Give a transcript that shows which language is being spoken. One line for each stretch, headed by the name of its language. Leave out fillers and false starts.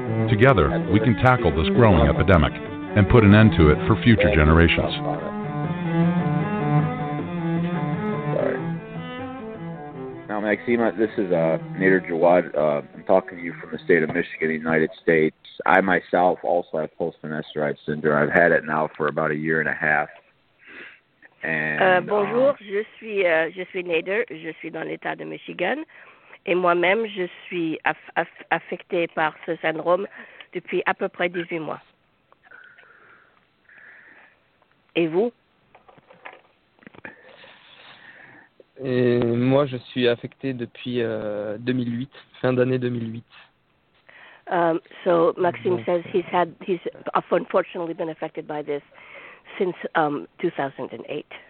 English: Together, we can tackle this growing epidemic and put an end to it for future generations. Now, Maxima, this is Nader Jawad. I'm talking to you from the state of Michigan, United States. I myself also have post-finasteride syndrome. I've had it now for about a year and a half.
French: Bonjour, je suis Nader, je suis dans l'état de Michigan et moi-même je suis affectée par ce syndrome depuis à peu près 18 mois. Et vous? Et moi je suis affectée depuis 2008, fin d'année 2008.
English: So Maxime says he's unfortunately been affected by this since 2008.